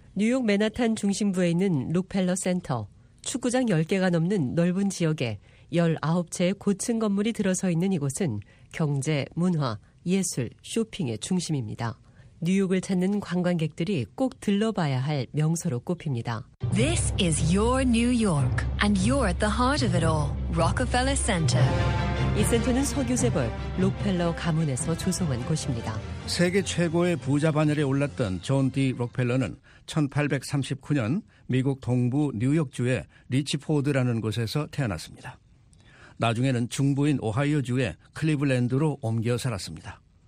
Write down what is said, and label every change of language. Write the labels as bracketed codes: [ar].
[ko] 뉴욕 맨하탄 중심부에 있는 록펠러 센터, 축구장 10개가 넘는 넓은 지역에 19채의 고층 건물이 들어서 있는 이곳은 경제, 문화, 예술, 쇼핑의 중심입니다. 뉴욕을 찾는 관광객들이 꼭 들러봐야 할 명소로 꼽힙니다. [en] This is your New York, and you're at the heart of it all. Rockefeller Center. [ko] 이 센터는 석유재벌 록펠러 가문에서 조성한 곳입니다. 세계 최고의 부자 반열에 올랐던 존 D. 록펠러는 1839년 미국 동부 뉴욕주의 리치포드라는 곳에서 태어났습니다. 나중에는 중부인 오하이오주의 클리블랜드로 옮겨 살았습니다.